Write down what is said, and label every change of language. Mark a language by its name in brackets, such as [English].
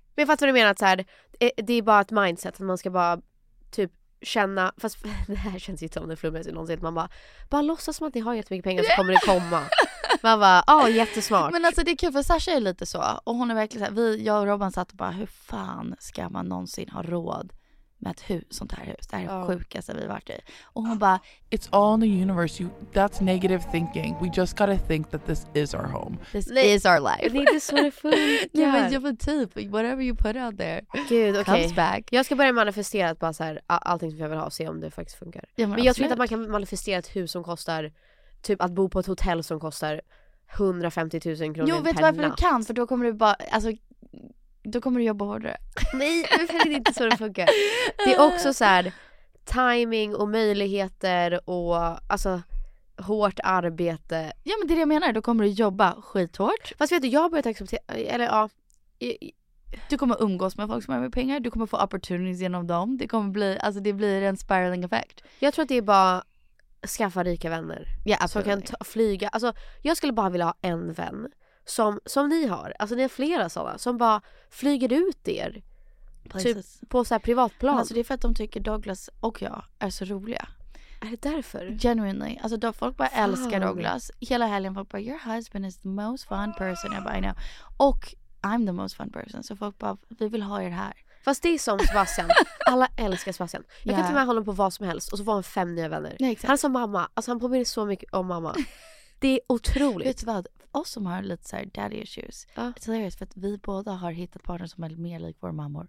[Swedish] Men jag fattar vad du menar, att så här, det är bara ett mindset att man ska bara typ känna, fast det här känns ju som det flummar sig någonsin, man bara låtsas som att ni har jättemycket pengar, så kommer det komma. Man bara, åh, jättesmart. Men alltså det är kul, för Sasha är lite så, och hon är verkligen så här, jag och Robin satt och bara, hur fan ska man någonsin ha råd med ett hus, sånt här hus. Det här är det sjukaste vi varit i. Och hon bara, [English] it's all in the universe. That's negative thinking. We just gotta think that this is our home. This is our life. [Swedish] Det är inte så det funkar. Ja, men jag får typ, [English] whatever you put out there, [Swedish] gud, okay, [English] comes back. [Swedish] Jag ska börja manifestera att bara så här, allting som jag vill ha, och se om det faktiskt funkar. Ja, men jag tror inte att man kan manifestera ett hus som kostar, typ att bo på ett hotell som kostar 150 000 kronor. Jo, vet du varför du kan? För då kommer du bara, alltså, då kommer du jobba hårdare. Nej, det är inte så det funkar. Det är också så här, timing och möjligheter och alltså hårt arbete. Ja, men det är det jag menar. Då kommer du jobba skithårt. Fast vet du, jag har börjat acceptera, eller ja. Du kommer umgås med folk som har med pengar. Du kommer få opportunities genom dem. Det kommer bli, alltså det blir en spiraling effect. Jag tror att det är bara skaffa rika vänner. Ja, yeah, absolut. Så kan flyga. Alltså, jag skulle bara vilja ha en vän. Som ni har, alltså ni har flera sådana som bara flyger ut er typ, på så här privatplan. Alltså det är för att de tycker Douglas och jag är så roliga. Är det därför? Genuinely, alltså då folk bara älskar Douglas. Hela helgen folk bara, [English] your husband is the most fun person. [Swedish] Jag bara, [English] I know. Och I'm the most fun person. [Swedish] Så folk bara, vi vill ha er här. Fast det är som Sebastian, alla älskar Sebastian. Jag kan ta med honom på vad som helst. Och så får han fem nya vänner. Nej, exakt. Han är som mamma, alltså han påminner så mycket om mamma. Det är otroligt. Vet du vad? Oss som har lite så här daddy issues. Ja. [English] It's hilarious, [Swedish] för att vi båda har hittat partner som är mer lik våra mammor.